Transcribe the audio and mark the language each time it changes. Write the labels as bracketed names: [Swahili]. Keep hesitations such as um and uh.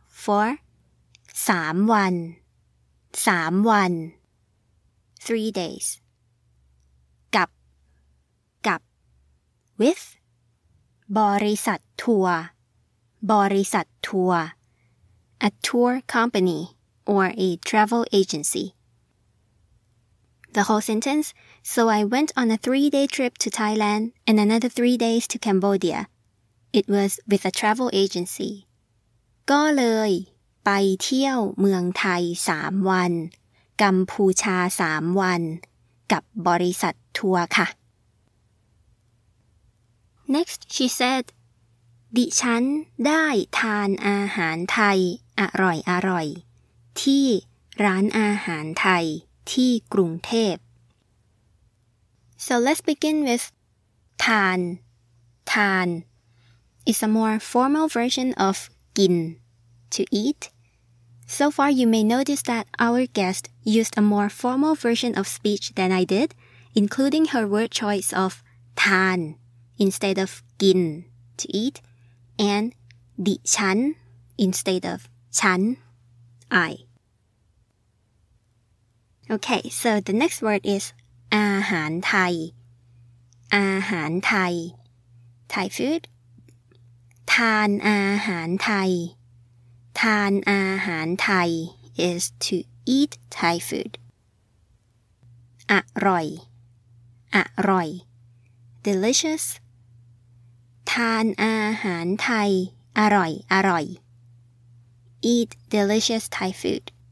[English] For สามวัน สามวัน three days. กับ กับ with บริษัททัวร์ บริษัททัวร์ a tour company or a travel agency. The whole sentence. So I went on a three day trip to Thailand and another three days to Cambodia. It was with a travel agency. [Thai] ก็เลยไปเที่ยวเมืองไทยสามวัน กัมพูชาสามวัน กับบริษัททัวร์ค่ะ [English] Next she said [Thai] ดิฉันได้ทานอาหารไทยอร่อยอร่อยๆที่ร้านอาหารไทยที่กรุงเทพ [English] so let's begin with ทาน ทาน is a more formal version of gin, to eat. So far, you may notice that our guest used a more formal version of speech than I did, including her word choice of tan instead of gin, to eat, and di chan instead of chan, I. Okay, so the next word is อาหารไทยอาหารไทย Thai food ทานอาหารไทย ทานอาหารไทย is to eat Thai food อร่อย อร่อย delicious ทานอาหารไทย อร่อย อร่อย eat delicious Thai food